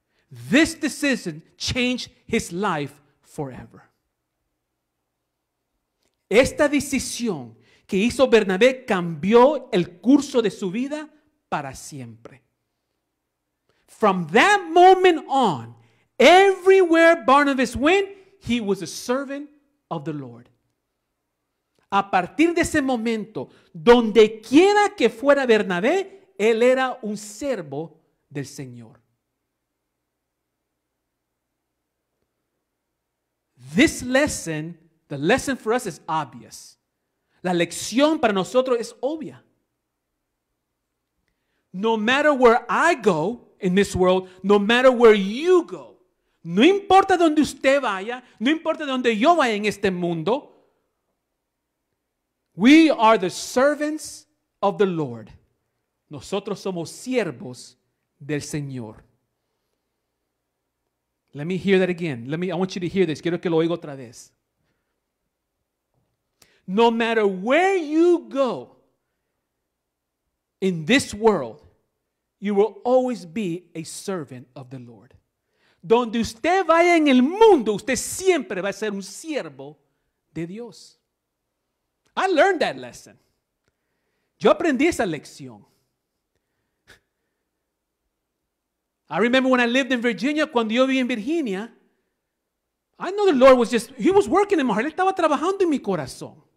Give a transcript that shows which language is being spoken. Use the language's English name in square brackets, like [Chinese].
[English] This decision changed his life forever. [Spanish] Esta decisión que hizo Bernabé cambió el curso de su vida para siempre. [English] From that moment on, everywhere Barnabas went, he was a servant of the Lord. [Spanish] A partir de ese momento, donde quiera que fuera Bernabé, él era un siervo del Señor. [English] This lesson, the lesson for us is obvious. [Spanish] La lección para nosotros es obvia. [English] No matter where I go in this world, no matter where you go, [Spanish] no importa donde usted vaya, no importa donde yo vaya en este mundo, [English] we are the servants of the Lord. [Spanish] Nosotros somos siervos del Señor. [English] Let me hear that again. I want you to hear this. [Spanish] Quiero que lo oiga otra vez. [English] No matter where you go in this world, you will always be a servant of the Lord. [Spanish] Donde usted vaya en el mundo, usted siempre va a ser un siervo de Dios. [English] I learned that lesson. [Spanish] Yo aprendí esa lección. [English] I remember when I lived in Virginia, [Spanish] cuando yo viví en Virginia, [English] I know the Lord was just, he was working in my heart. [Spanish] Él estaba trabajando en mi corazón.